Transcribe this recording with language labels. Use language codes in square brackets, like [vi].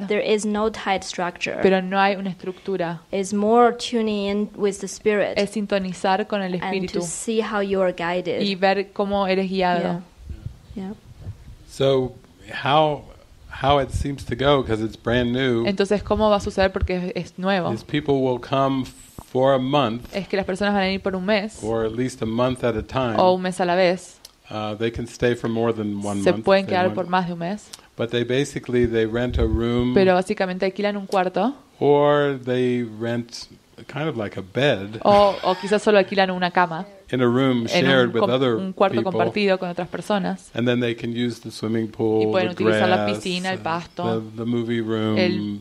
[en] But there is no tight structure. [es] Pero no hay una estructura. [en] It's more tuning in with the spirit. [es] Es sintonizar con el espíritu. [en] And to see how you are guided. [es] Y ver cómo eres guiado. [en] Yeah. So how it seems to go because it's brand new. [es] Entonces cómo va a suceder porque es nuevo. [en] These people will come for a month. [es] Es que las personas van a ir por un mes. [en] Or at least a month at a time. [es] O un mes a la vez. [en] They can stay for more than one [es] se [en] month. [es] Se pueden quedar por más de un mes. [en] But they basically they rent a room. [es] Pero básicamente alquilan un cuarto. [en] Or they rent kind of like a bed. [es] O quizás solo alquilan una cama. [en] In a room shared with other people. [es] En un cuarto compartido con otras personas. [en] And then they can use the swimming pool, [es] y pueden [en] the grass, [es] utilizar la piscina, el pasto, [en] the movie room,